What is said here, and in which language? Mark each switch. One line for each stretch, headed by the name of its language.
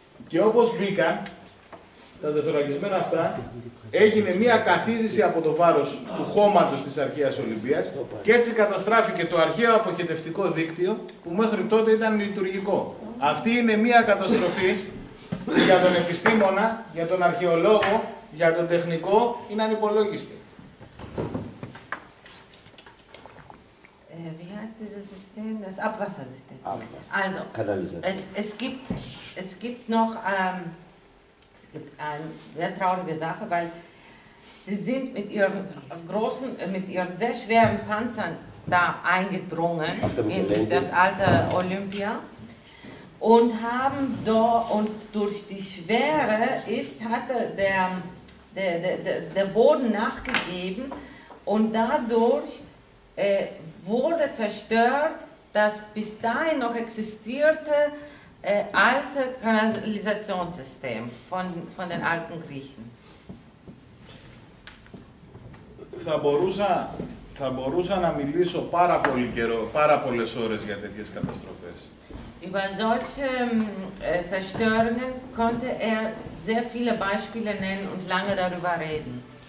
Greek: Και όπως μπήκαν τα δευτεραγισμένα αυτά, έγινε μια καθίζηση από το βάρος του χώματος της αρχαίας Ολυμπίας και έτσι καταστράφηκε το αρχαίο αποχετευτικό δίκτυο που μέχρι τότε ήταν λειτουργικό. Αυτή είναι μια καταστροφή για τον επιστήμονα, για τον αρχαιολόγο, για τον τεχνικό, είναι ανυπολόγιστη.
German: Wie heißt dieses System? Das Abwassersystem. Also, es gibt noch es gibt eine sehr traurige Sache, weil sie sind mit ihren großen, mit ihren sehr schweren Panzern da eingedrungen in das alte Olympia und haben dort und durch die Schwere ist hatte der Boden nachgegeben und dadurch wurde zerstört, das bis dahin noch existierte alte Kanalisationssystem von den alten Griechen.
Greek: Θα μπορούσα να μιλήσω πάρα πολύ καιρό, πάρα πολλές ώρες για τέτοιες καταστροφές.
German: Über solche Zerstörungen konnte er sehr viele Beispiele nennen und lange darüber reden.